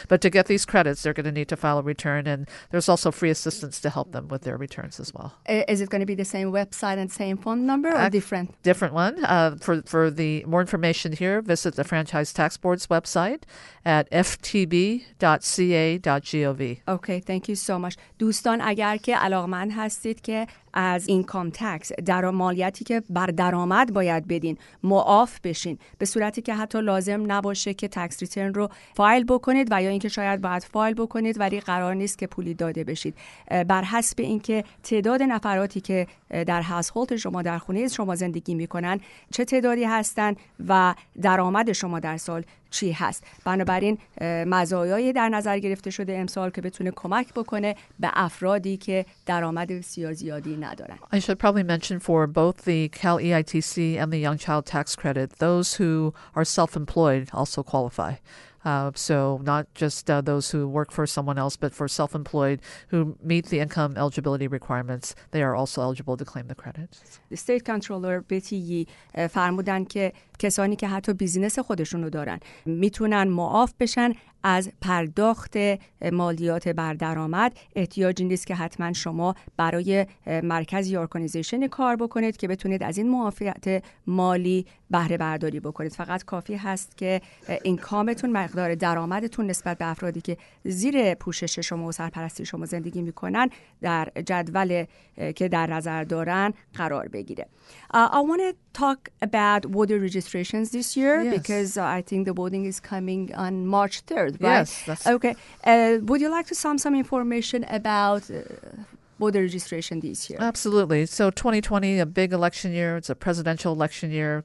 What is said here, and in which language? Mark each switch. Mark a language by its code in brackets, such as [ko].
[en] But to get these credits, they're going to need to file a return. And there's also free assistance to help them with their returns as well. Is it going to be the same website and same phone number or different? Different one. For the more information here, visit the Franchise Tax Board's website at ftb.ca.gov. Okay, thank you so much. [fa] دوستان اگر که علاقمند هستید که از اینکام تکس در مالیاتی که بر درآمد باید بدین معاف بشین، به صورتی که حتی لازم نباشه که تکس ریترن رو فایل بکنید و یا اینکه شاید باید فایل بکنید ولی قرار نیست که پولی داده بشید، بر حسب اینکه تعداد نفراتی که در هاوسهولد شما در خونه شما زندگی میکنن چه تعدادی هستن و درآمد شما در سال چی هست، بنابراین مزایای در نظر گرفته شده امسال که بتونه کمک بکنه به افرادی که درآمد بسیار زیادی ندارن. [en] I should probably mention for both the Cal EITC and the Young Child Tax Credit, those who are self-employed also qualify. So not just those who work for someone else, but for self-employed who meet the income eligibility requirements, they are also eligible to claim the credit. [fa] The state controller Betty Yee فرمودن که کسانی که حتی بیزینس خودشونو دارن میتونن معاف بشن از پرداخت مالیات بر درآمد. احتیاجی نیست که حتما شما برای مرکز یا ارگانیزیشن کار بکنید که بتونید از این معافیت مالی بهره برداری بکنید، فقط کافی هست که اینکامتون، مقدار درآمدتون نسبت به افرادی که زیر پوشش شما و سرپرستی شما زندگی میکنن در جدول که در نظر دارن قرار بگیره. [en] I want to talk about voter registrations this year, yes, because I think the voting is coming on March 3rd. Yes. That's... Okay. Would you like to sum some information about voter registration this year? Absolutely. So 2020, a big election year. It's a presidential election year.